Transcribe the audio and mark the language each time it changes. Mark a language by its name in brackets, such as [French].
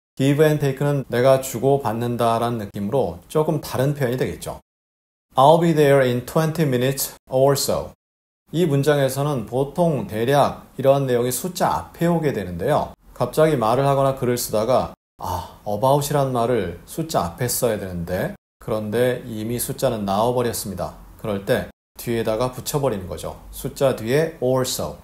[Korean] give and take는 내가 주고받는다라는 느낌으로 조금 다른 표현이 되겠죠. [English] I'll be there in 20 minutes or so. [Korean] 이 문장에서는 보통 대략 이러한 내용이 숫자 앞에 오게 되는데요. 갑자기 말을 하거나 글을 쓰다가 about이란 말을 숫자 앞에 써야 되는데, 그런데 이미 숫자는 나와버렸습니다. 그럴 때 뒤에다가 붙여버리는 거죠. 숫자 뒤에 also.